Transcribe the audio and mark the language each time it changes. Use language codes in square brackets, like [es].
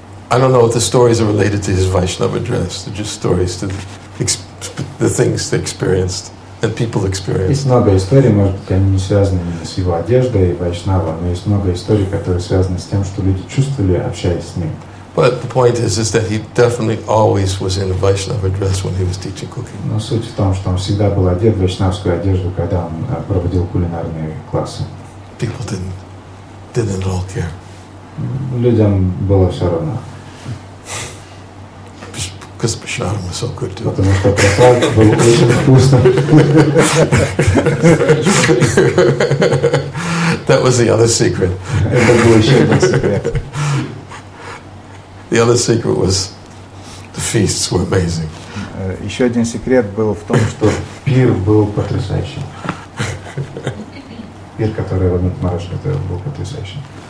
[en] I don't know if the stories are related to his Vaishnava dress. They're just stories to the things they experienced and people experienced. [ru] Есть много историй, может быть, они не связаны с его одеждой и Вайшнава, но есть много историй, которые связаны с тем, что люди чувствовали, общаясь с ним. [en] But the point is that he definitely always was in a Vaishnava dress when he was teaching cooking. [ru] Но суть в том, что он всегда был одет в вайшнавскую одежду, когда он проводил кулинарные классы. [en] People didn't at all care. [ru] Людям было все равно. [en] Because Prashad was so good too. [ru] Потому что Прасад был очень вкусным. [en] That was the other secret. [ru] Это был еще один секрет. [en] The other secret was the feasts were amazing. [ru] Еще один секрет был в том, что пир был потрясающим. Пир, который Раднат Мараш готовил, был потрясающим.